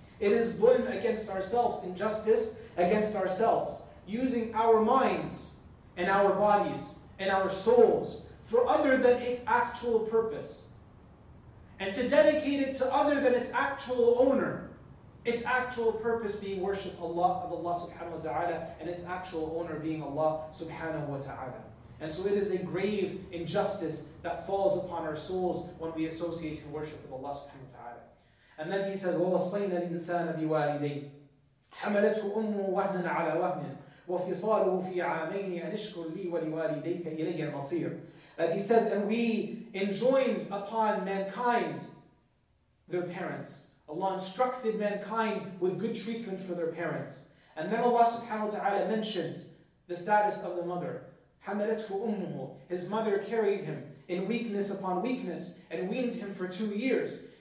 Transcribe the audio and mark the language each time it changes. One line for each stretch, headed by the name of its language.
English: It is ظلم against ourselves, injustice against ourselves, using our minds and our bodies and our souls for other than its actual purpose, and to dedicate it to other than its actual owner, its actual purpose being worship Allah of Allah subhanahu wa ta'ala, and its actual owner being Allah subhanahu wa ta'ala. And so it is a grave injustice that falls upon our souls when we associate and worship with Allah subhanahu wa ta'ala. And then he says,
Arabic: وَوَصَّيْنَا الْإِنسَانَ بِوَالِدَيْهِ حَمَلَتْهُ أُمُّهُ وَهْنًا عَلَى وَهْنٍ وَفِصَالُهُ فِي عَامَيْنِ أَنِشْكُرْ لِي وَلِوَالِدَيْكَ إِلَيَّ الْمَصِيرُ.
English: As he says, and we enjoined upon mankind their parents. Allah instructed mankind with good treatment for their parents. And then Allah subhanahu wa ta'ala mentions the status of the mother.
Arabic: حَمَلَتْهُ أُمُّهُ.
English: His mother carried him in weakness upon weakness and weaned him for 2 years.